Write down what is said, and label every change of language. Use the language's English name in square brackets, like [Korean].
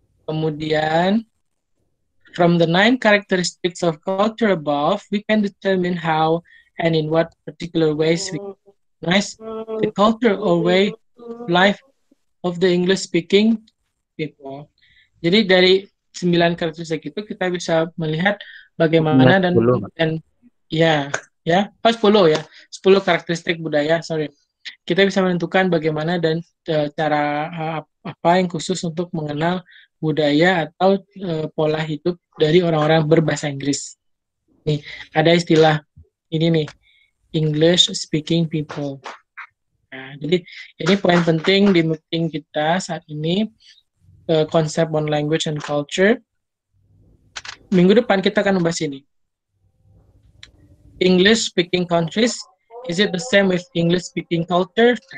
[English] Kemudian, from the 9 characteristics of culture above, we can determine how and in what particular ways we recognize the culture or way of life of the English speaking people. [Indonesian] Jadi dari 9 karakteristik itu kita bisa melihat bagaimana 10. dan 10 karakteristik budaya, sorry. Kita bisa menentukan bagaimana dan cara apa yang khusus untuk mengenal budaya atau pola hidup dari orang-orang berbahasa Inggris. Nih, ada istilah ini nih, English speaking people. Nah, jadi ini poin penting di meeting kita saat ini, konsep [English] on language and culture. [Indonesian] Minggu depan kita akan membahas ini. [English] English speaking countries, is it the same with English speaking culture?